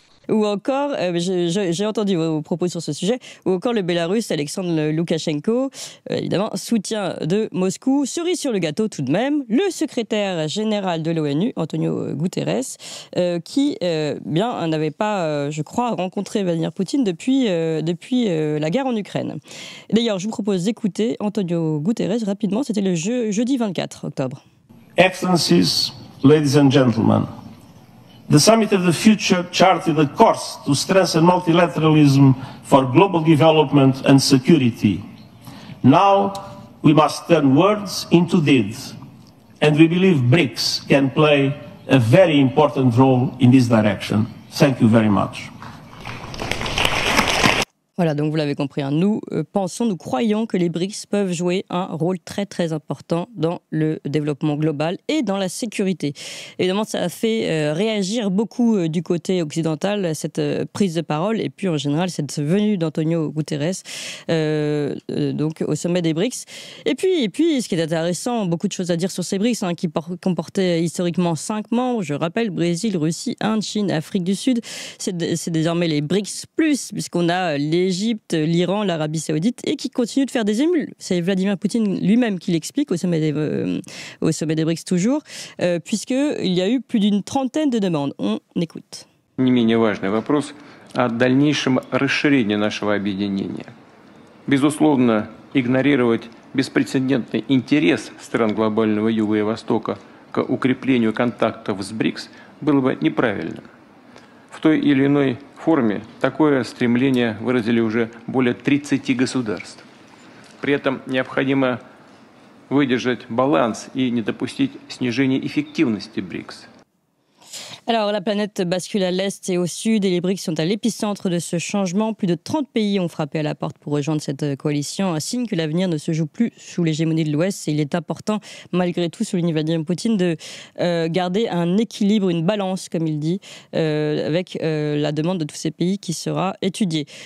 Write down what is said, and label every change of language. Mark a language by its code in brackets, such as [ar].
[fr] Ou encore, j'ai entendu vos propos sur ce sujet, ou encore le Bélarus Alexandre Loukachenko, évidemment, soutien de Moscou, cerise sur le gâteau tout de même, le secrétaire général de l'ONU, Antonio Guterres, qui n'avait pas, je crois, rencontré Vladimir Poutine depuis la guerre en Ukraine. D'ailleurs, je vous propose d'écouter Antonio Guterres rapidement, c'était le jeudi 24 octobre. [en] Excellencies, ladies and gentlemen, the Summit of the Future charted a course to strengthen multilateralism for global development and security. Now we must turn words into deeds, and we believe BRICS can play a very important role in this direction. Thank you very much. [fr] Voilà, donc vous l'avez compris, hein. Nous pensons, nous croyons que les BRICS peuvent jouer un rôle très très important dans le développement global et dans la sécurité. Évidemment, ça a fait réagir beaucoup du côté occidental, cette prise de parole, et puis en général, cette venue d'Antonio Guterres donc, au sommet des BRICS. Et puis, ce qui est intéressant, beaucoup de choses à dire sur ces BRICS, hein, qui comportaient historiquement 5 membres, je rappelle, Brésil, Russie, Inde, Chine, Afrique du Sud, c'est désormais les BRICS+, puisqu'on a l'Égypte, l'Iran, l'Arabie Saoudite, et qui continue de faire des émules. C'est Vladimir Poutine lui-même qui l'explique au sommet des BRICS toujours, puisqu'il y a eu plus d'une trentaine de demandes. On écoute. [ru] Не менее важный вопрос о дальнейшем расширении нашего объединения. Безусловно, игнорировать беспрецедентный интерес стран глобального Юга и Востока к укреплению контактов с БРИКС было бы неправильно. В той или иной форме такое стремление выразили уже более 30 государств. При этом необходимо выдержать баланс и не допустить снижения эффективности БРИКС. [fr] Alors, la planète bascule à l'est et au sud, et les BRICS sont à l'épicentre de ce changement. Plus de 30 pays ont frappé à la porte pour rejoindre cette coalition, un signe que l'avenir ne se joue plus sous l'hégémonie de l'Ouest. Et il est important, malgré tout, sous Vladimir Poutine, de garder un équilibre, une balance, comme il dit, avec la demande de tous ces pays qui sera étudiée.